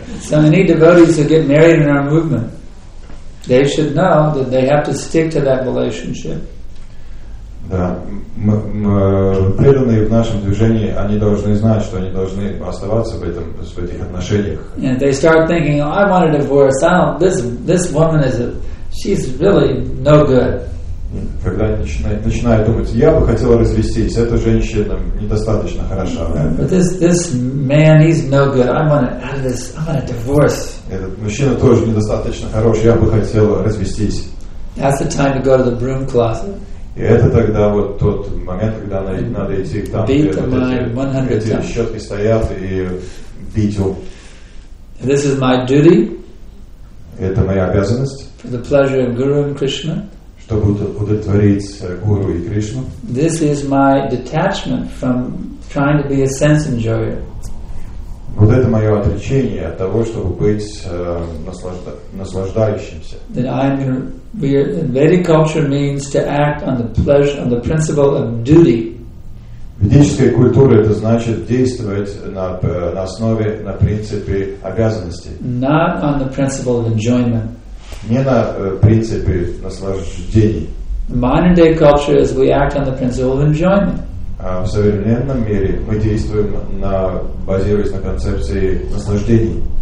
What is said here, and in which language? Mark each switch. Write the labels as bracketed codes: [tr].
[en] So many devotees who get married in our movement. They should know that they have to stick to that relationship. [ru] Да, преданные в нашем движении, они должны знать, что они должны оставаться в этих отношениях. [en] And they start thinking, oh, I want a divorce. This woman she's really no good. [ru] Когда начинают думать, я бы хотел развестись, эта женщина недостаточно хороша. [en] But this man, he's no good. I want to out of this. I want a divorce. [ru] Этот мужчина тоже недостаточно хорош, я бы хотел развестись. [en] That's the time to go to the broom closet. [ru] И это тогда вот тот момент, когда надо идти к там, где эти щетки стоят и бить ум. [en] This is my duty. [ru] Это моя обязанность. [en] For the pleasure of Guru and Krishna. [ru] Чтобы удовлетворить Гуру и Кришну. [en] This is my detachment from trying to be a sense enjoyer. [ru] Вот это мое отречение от того, чтобы быть наслаждающимся. [en] Then Vedic culture means to act on the pleasure, on the principle of duty. [ru] Ведическая культура это значит действовать на основе, на принципе обязанности. [en] Not on the principle of enjoyment. [ru] Не на принципе наслаждений. [en] Modern day culture is we act on the principle of enjoyment. [ru] В современном мире мы действуем базируясь на концепции наслаждений.